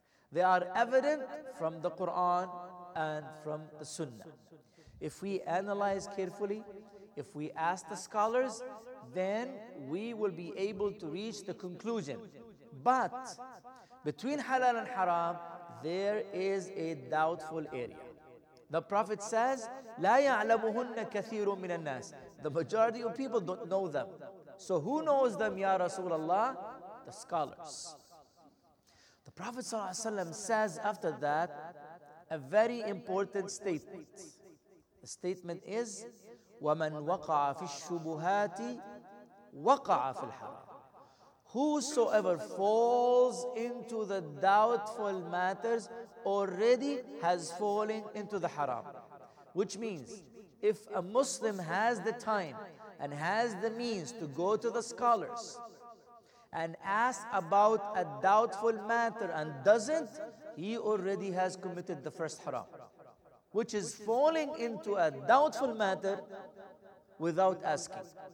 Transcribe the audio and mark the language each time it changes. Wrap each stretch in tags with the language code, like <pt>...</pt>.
<en>They are evident from the Quran and from the Sunnah. If we analyze carefully, if we ask the scholars, then we will be able to reach the conclusion. But between halal and haram, there is a doubtful area. The Prophet says,</en> <ar>لَا يَعْلَمُهُنَّ كَثِيرٌ مِنَ النَّاسِ.</ar> <en>The majority of people don't know them. So who knows them, Ya Rasulullah? The scholars. The Prophet ﷺ says after that, a very important statement. The statement is,</en> <ar>وَمَنْ وَقَعَ فِي الشُّبُهَاتِ وَقَعَ فِي الْحَرَامِ.</ar> <en>Whosoever falls into the doubtful matters already has fallen into the haram. Which means, if a Muslim has the time and has the means to go to the scholars and ask about a doubtful matter and doesn't, he already has committed the first haram, which is falling into a doubtful matter without asking.</en>